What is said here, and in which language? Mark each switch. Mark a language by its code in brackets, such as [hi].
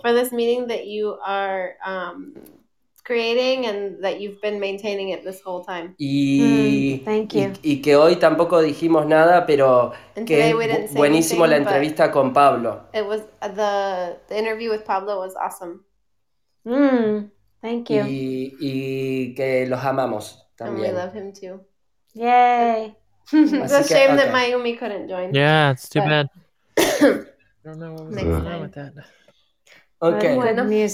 [en] For this meeting that you are creating and that you've been maintaining it this whole time. [es] Y, [en] thank you. [es] Y que hoy tampoco dijimos nada, pero que buenísimo [en] anything, [es] la entrevista con Pablo. [en] It was the interview with Pablo was awesome. Thank you. [es] Y que los amamos también. [en] And we love him too. Yay! It's a shame that Mayumi couldn't join. Yeah, it's too bad. I don't know what was